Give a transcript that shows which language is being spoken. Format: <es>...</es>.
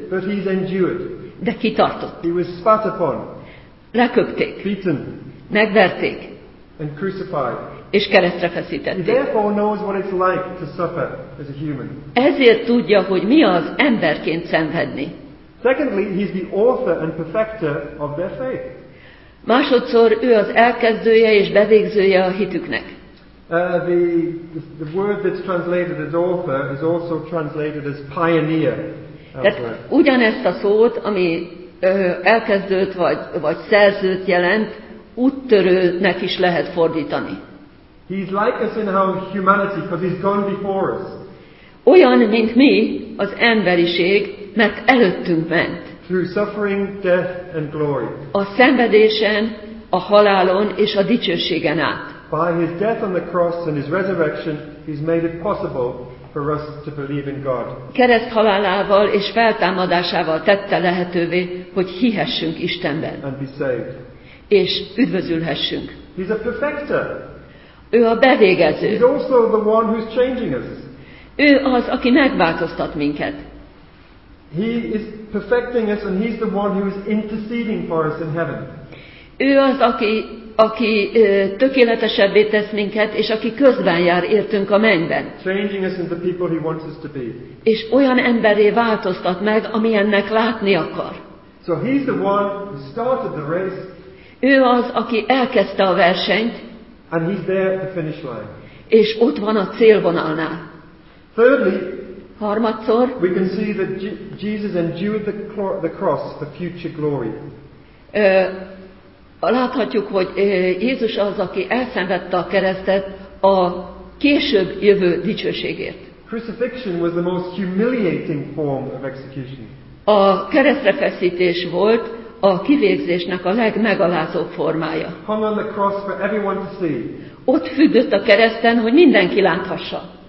<en>But he's endured.</en> <hu>De kitartott.</hu> <en>He was spat upon.</en> <hu>Leköpték.</hu> <en>Beaten.</en> <hu>Megverték.</hu> <en>And crucified.</en> <hu>És keresztre feszítették.</hu> <en>He therefore knows what it's like to suffer as a human.</en> <hu>Ezért tudja, hogy mi az emberként szenvedni.</hu> <en>Secondly, he's the author and perfecter of their faith.</en> <hu>Másodszor ő az elkezdője és bevégzője a hitüknek.</hu> <en>The word that's translated as author is also translated as pioneer.</en> <hu>Tehát ugyanezt a szót, ami elkezdőt vagy szerzőt jelent, úttörőnek is lehet fordítani.</hu> <en>He's like us in our humanity, because he's gone before us.</en> <hu>Olyan, mint mi, az emberiség, mert előttünk ment.</hu> <en>Through suffering, death and glory.</en> <hu>A szenvedésen, a halálon és a dicsőségen át.</hu> <en>By his death on the cross and his resurrection, he's made it possible for us to believe in God.</en> <hu>Kereszt halálával és feltámadásával tette lehetővé, hogy hihessünk Istenben.</hu> <en>And be saved.</en> <hu>És üdvözülhessünk.</hu> <en>He's a perfecter.</en> <hu>Ő a bevégező.</hu> <en>He's also the one who's changing us.</en> <hu>Ő az, aki megváltoztat minket.</hu> <en>He is perfecting us, and he's the one who is interceding for us in heaven.</en> <hu>Ő az, aki tökéletesebbé tesz minket, és aki közben jár értünk a mennyben.</hu> <en>Changing us into the people he wants us to be.</en> <hu>És olyan emberré változtat meg, amilyennek látni akar.</hu> <en>So he's the one who started the race.</en> <hu>Ő az, aki elkezdte a versenyt.</hu> <en>And he's there at the finish line.</en> <hu>És ott van a célvonalnál.</hu> <en>Thirdly,</en> <hu>harmadszor,</hu> <en>we can see that Jesus endured the cross for future glory.</en> <hu>Láthatjuk, hogy Jézus az, aki elszenvedte a keresztet a később jövő dicsőségért.</hu> <en>Crucifixion was the most humiliating form of execution.</en> <hu>A keresztre feszítés volt a kivégzésnek a legmegalázóbb formája.</hu> <en>Hung on the cross for everyone to see.</en> <hu>Ott függött a kereszten, hogy mindenki láthassa.</hu>